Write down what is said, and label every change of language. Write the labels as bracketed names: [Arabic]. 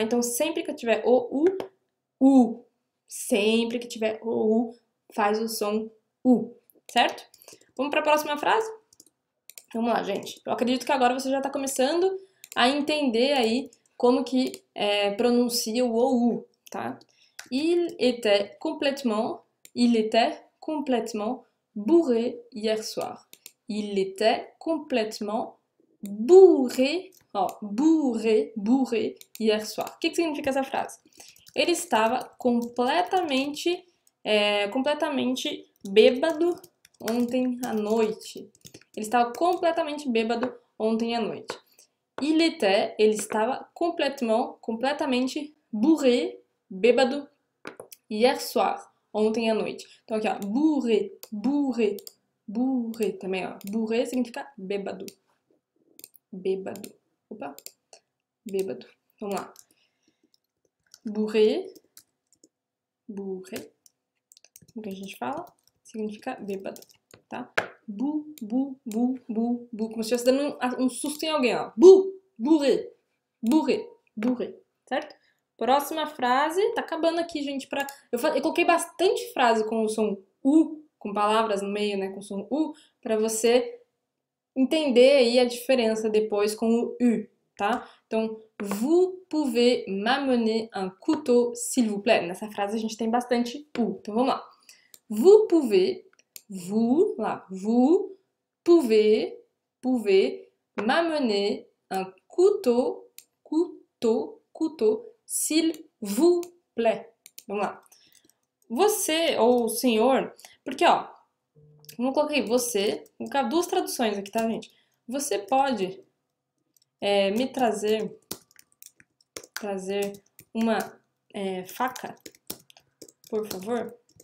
[Portuguese] Então, sempre que eu tiver o U, sempre que tiver o U, faz o som U, certo? Vamos para a próxima frase? Vamos lá, gente. Eu acredito que agora você já está começando a entender aí como que pronuncia o OU, tá? [French] Il était complètement bourré hier soir. Il était complètement bourré, ó, bourré, bourré hier soir. [Portuguese] O que que significa essa frase? Ele estava completamente bêbado ontem à noite. Ele estava completamente bêbado ontem à noite. Ele estava completamente bourré, bêbado [French] hier soir, [Portuguese] ontem à noite. Então aqui, ó, bourré, bourré, bourré também, ó. Bourré significa bêbado. Bêbado. Opa. Bêbado. Vamos lá. Bourré, bourré. Como que a gente fala? Significa bêbado, tá? Bu, bu, bu, bu, bu. Como se estivesse dando um susto em alguém, ó. [French] Bu, bourré, bourré, bourré. Certo? [Portuguese] Próxima frase. Tá acabando aqui, gente. Eu coloquei bastante frase com o som U, com palavras no meio, né? Com o som U, pra você entender aí a diferença depois com o U, tá? [French] Então, vous pouvez m'amener un couteau, s'il vous plaît. [Portuguese] Nessa frase a gente tem bastante U. Então, vamos lá. [French] Vous pouvez, vous, lá, vous pouvez, pouvez m'amener un couteau, couteau, couteau, s'il vous plaît. [Portuguese] Vamos lá. Você ou o senhor, porque, ó, vamos colocar aí, você, vou colocar duas traduções aqui, tá, gente? Você pode, me trazer uma, faca, por favor?